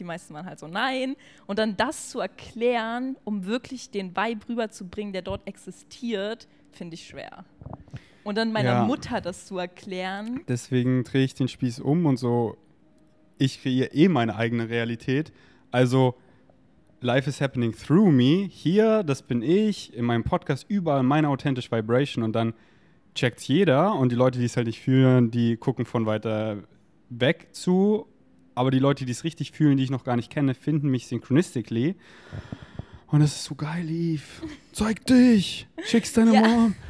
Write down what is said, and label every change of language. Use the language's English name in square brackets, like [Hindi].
[German] Die meisten waren halt so, nein. Und dann das zu erklären, um wirklich den Vibe rüberzubringen, der dort existiert, finde ich schwer. Und dann meiner Mutter das zu erklären. Deswegen drehe ich den Spieß um und so, ich kreiere eh meine eigene Realität. [English] Also, life is happening through me. [German] Hier, das bin ich, in meinem Podcast, überall meine authentische Vibration. Und dann checkt es jeder. Und die Leute, die es halt nicht fühlen, die gucken von weiter weg zu. Aber die Leute, die es richtig fühlen, die ich noch gar nicht kenne, finden mich synchronistically. Und das ist so geil, Eve. Zeig dich! Schick's deine Mom!